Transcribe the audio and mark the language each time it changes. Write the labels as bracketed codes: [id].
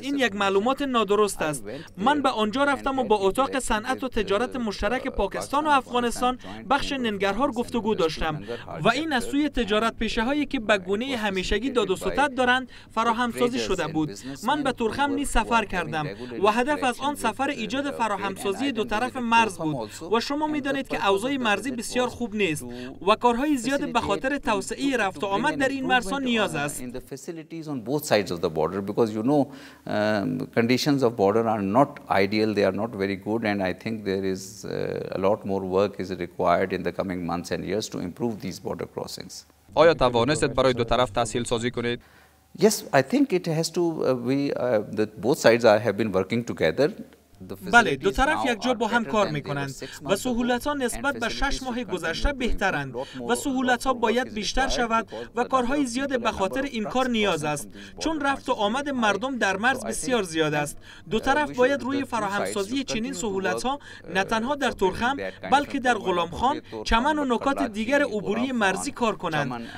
[fa] این یک معلومات نادرست است. من به آنجا رفتم و با اتاق صنعت و تجارت مشترک پاکستان و افغانستان بخش ننگرهار گفتگو داشتم و این از سوی تجارت پیشه هایی که به گونه همیشگی داد و ستد دارند فراهم سازی شده بود. من به تورخم نیز سفر کردم و هدف از آن سفر ایجاد فراهمسازی دو طرف مرز بود و شما می دانید که اوضاع مرزی بسیار خوب نیست و کارهای زیاد به خاطر توسعه رفت و آمد در این مرزها نیاز است. [en] In the facilities on both sides of the border, because you know conditions of border are not ideal, they are not very good, and I think there is a lot more work is required in the coming months and years to improve these border crossings. [fa] آیا توانستید برای دو طرف تسهیل سازی کنید؟ [en] Yes, I think it has to be that both sides have been working together. [fa] بله، دو طرف یک جا با هم کار میکنند و سهولت ها نسبت به 6 ماه گذشته بهترند و سهولت ها باید بیشتر شود و کارهای زیاد به خاطر این کار نیاز است، چون رفت و آمد مردم در مرز بسیار زیاد است. دو طرف باید روی فراهمسازی چنین سهولت ها نه تنها در تورخم بلکه در غلامخان، چمن و نکات دیگر عبوری مرزی کار کنند.